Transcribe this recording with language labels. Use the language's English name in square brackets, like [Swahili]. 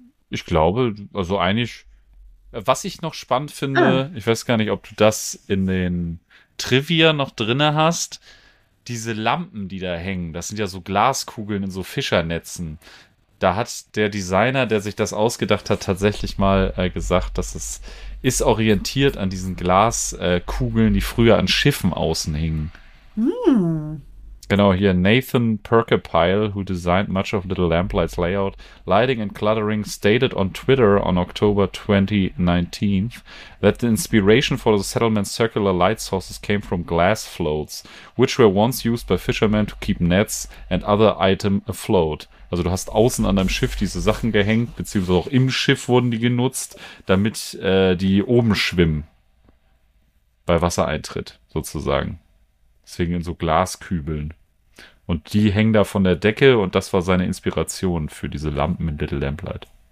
[German] Ich glaube, also eigentlich, was ich noch spannend finde, ich weiß gar nicht, ob du das in den Trivia noch drinne hast, diese Lampen, die da hängen, das sind ja so Glaskugeln in so Fischernetzen. Da hat der Designer, der sich das ausgedacht hat, tatsächlich mal gesagt, dass es ist orientiert an diesen Glaskugeln, die früher an Schiffen außen hingen. Hm. [English] Genau, hier Nathan Perkepile, who designed much of Little Lamplight's layout, lighting and cluttering, stated on Twitter on October 2019 that the inspiration for the settlement's circular light sources came from glass floats, which were once used by fishermen to keep nets and other items afloat. [German] Also du hast außen an deinem Schiff diese Sachen gehängt, beziehungsweise auch im Schiff wurden die genutzt, damit die oben schwimmen bei Wassereintritt sozusagen. Deswegen in so Glaskübeln. Und die hängen da von der Decke und das war seine Inspiration für diese Lampen in Little Lamplight.